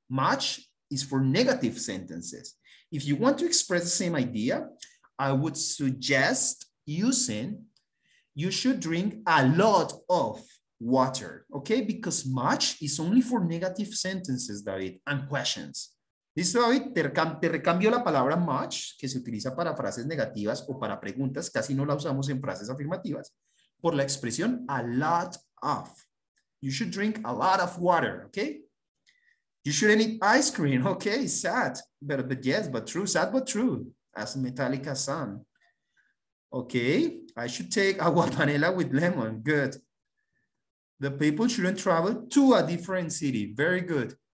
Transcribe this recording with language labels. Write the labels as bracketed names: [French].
[English] Much is for negative sentences. If you want to express the same idea, I would suggest using, you should drink a lot of water. Okay, because much is only for negative sentences, David, and questions. [Spanish] Listo, David, te recambio la palabra much, que se utiliza para frases negativas o para preguntas, casi no la usamos en frases afirmativas, por la expresión a lot of. [English] You should drink a lot of water, okay? You shouldn't eat ice cream, okay? Sad, but yes, but true, sad, but true, as Metallica sang. Okay, I should take agua panela with lemon, good. The people shouldn't travel to a different city, very good.